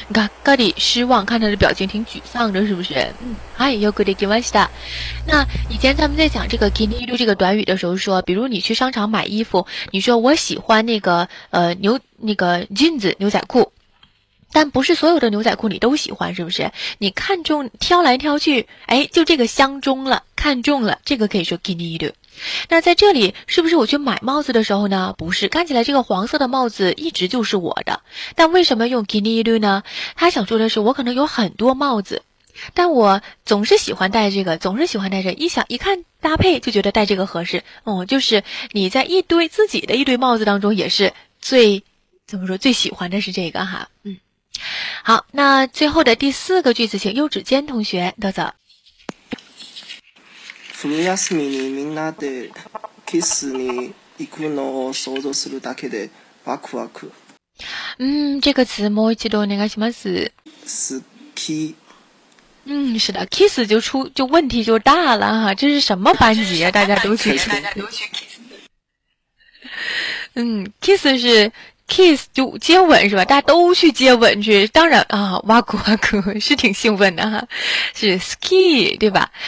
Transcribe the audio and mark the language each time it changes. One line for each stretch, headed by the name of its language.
Chinese: がっかり失望，看他的表情挺沮丧的，是不是？
Japanese: 嗨，よくできました。
Chinese: 那以前咱们在讲这个気に入る这个短语的时候说，比如你去商场买衣服，你说我喜欢那个jeans 牛仔裤。但不是所有的牛仔裤你都喜欢，是不是？你看中挑来挑去，哎，就这个相中了，看中了，这个可以说気に入る。那在这里是不是我去买帽子的时候呢，不是，看起来这个黄色的帽子一直就是我的。但为什么用 kiniiru 呢？他想说的是我可能有很多帽子，但我总是喜欢戴这个，总是喜欢戴这个，一看搭配就觉得戴这个合适。就是你在一堆自己的一堆帽子当中也是最怎么说最喜欢的是这个哈。好，那最后的第四个句子请右指尖同学得走。
Japanese: 冬休みにみんなでキスに行くのを想像するだけでワクワク。
Chinese: 这个词
Japanese: もう一度お願いします。スキ。
Chinese: 是的 ，kiss 就问题就大了哈，这是什么班级啊？大家都去。 kiss 是 kiss 就接吻是吧？大家都去接吻去，当然啊，哇酷哇酷是挺兴奋的哈，是 ski 对吧？